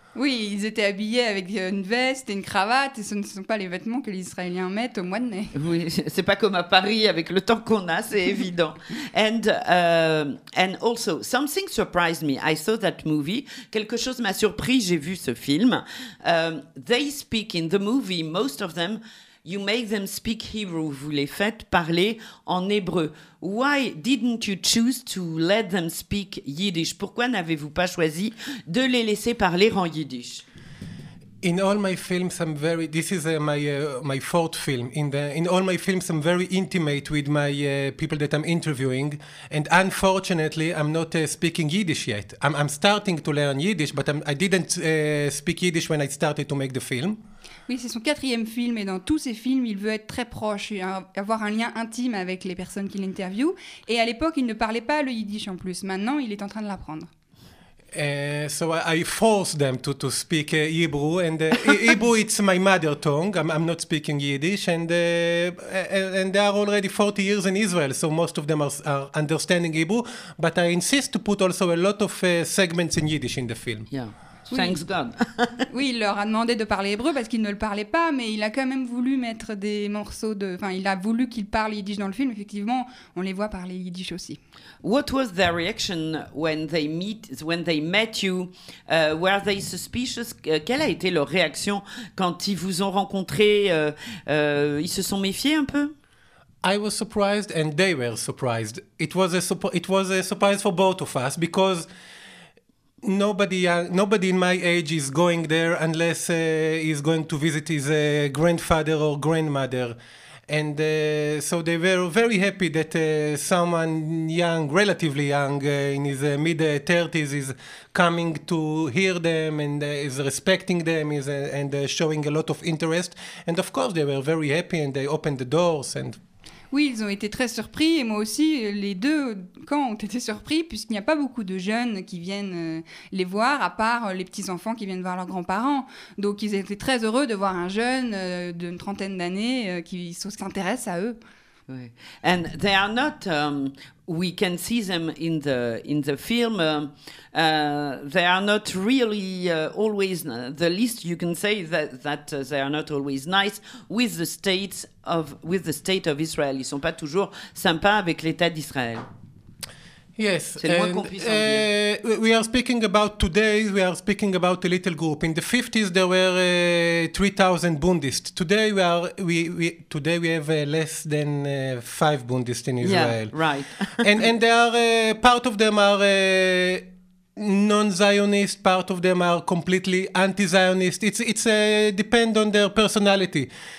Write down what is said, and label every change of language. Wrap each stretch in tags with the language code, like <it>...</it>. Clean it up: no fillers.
<fr>Oui, ils étaient habillés avec une veste et une cravate, et ce ne sont pas les vêtements que les Israéliens mettent au mois de mai. Oui, c'est pas comme à Paris avec le temps qu'on a, c'est évident.</fr> <en>And also, something surprised me. I saw that movie.</en> <fr>Quelque chose m'a surpris, j'ai vu ce film.</fr> <en>They speak in the movie, most of them, you make them speak Hebrew.</en> <fr>Vous les faites parler en hébreu.</fr> <en>Why didn't you choose to let them speak Yiddish?</en> <fr>Pourquoi n'avez-vous pas choisi de les laisser parler en Yiddish?</fr> <en>In all my films, I'm very. This is my fourth film. In all my films, I'm very intimate with my people that I'm interviewing, and unfortunately, I'm not speaking Yiddish yet. I'm starting to learn Yiddish, but I didn't speak Yiddish when I started to make the film.</en> <fr>Oui, c'est son quatrième film et dans tous ses films, il veut être très proche et avoir un lien intime avec les personnes qu'il interviewe. Et à l'époque, il ne parlait pas le yiddish en plus. Maintenant, il est en train de l'apprendre.</fr> <en>So I force them to speak Hebrew. And Hebrew, it's my mother tongue. I'm not speaking Yiddish. And they are already 40 years in Israel, so most of them are understanding Hebrew. But I insist to put also a lot of segments in Yiddish in the film. Yeah. Oui. Thanks God.</en> <fr>Oui, il leur a demandé de parler hébreu parce qu'ils ne le parlaient pas, mais il a quand même voulu mettre des morceaux de... Enfin, il a voulu qu'ils parlent yiddish dans le film. Effectivement, on les voit parler yiddish aussi.</fr> <en>What was their reaction when they met you? Were they suspicious?</en> <fr>Quelle a été leur réaction quand ils vous ont rencontré? Ils se sont méfiés un peu?</fr> <en>I was surprised and they were surprised. It was a surprise for both of us because... Nobody in my age is going there unless he's going to visit his grandfather or grandmother. And so they were very happy that someone young, relatively young, in his mid-30s is coming to hear them and is respecting them and showing a lot of interest. And of course, they were very happy and they opened the doors and...</en> <fr>Oui, ils ont été très surpris, et moi aussi, les deux camps ont été surpris, puisqu'il n'y a pas beaucoup de jeunes qui viennent les voir, à part les petits-enfants qui viennent voir leurs grands-parents. Donc, ils étaient très heureux de voir un jeune d'une trentaine d'années qui s'intéresse à eux. Oui.</fr> <en>And they are not, we can see them in the film, they are not really always, the least you can say that they are not always nice with the state of Israel.</en> <fr>Ils sont pas toujours sympas avec l'État d'Israël.</fr> <en>Yes, and we are speaking about today, we are speaking about a little group. In the 50s, there were 3,000 Bundists. Today, we have less than 5 Bundists in Israel. Yeah, right. and they are, part of them are non-Zionist, part of them are completely anti-Zionist. It depends on their personality.</en>